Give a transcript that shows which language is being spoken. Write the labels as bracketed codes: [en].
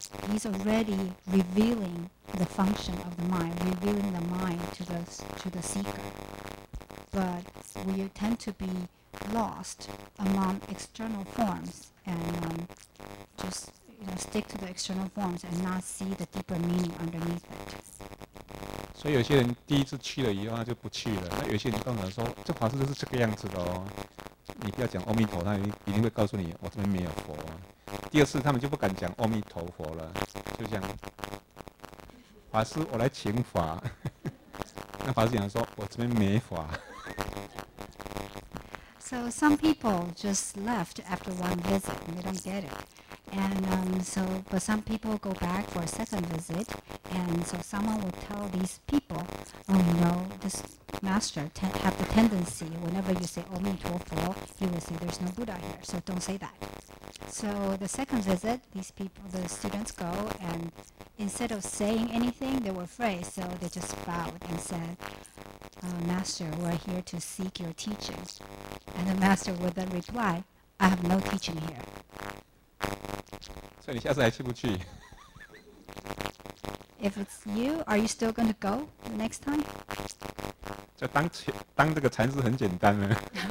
[en] He's already revealing the function of the mind, revealing the mind to the seeker. but we tend to be lost among external forms and just you know, stick to the external forms and not see the deeper meaning underneath it. [zh] 所以有些人第一次去了以后，他就不去了。那有些人通常说，这法师就是这个样子的哦。你不要讲阿弥陀，他一定会告诉你，我这边没有佛。第二次他们就不敢讲阿弥陀佛了，就讲法师，我来请法。 那法师讲说，我这边没法。 [en] So some people just left after one visit, and they don't get it. And but some people go back for a second visit, and so someone will tell these people, oh, you know, this master have the tendency, whenever you say Om Mi Tuo Fo, he will say there's no Buddha here, so don't say that. So the second visit, these people, the students go, and instead of saying anything, they were afraid, so they just bowed and said, Master, we're here to seek your teaching. And the master would then reply, I have no teaching here. [zh] 所以你下次还去不去? [en] If it's you, are you still going to go the next time? [zh] 就当这个禅师很简单了。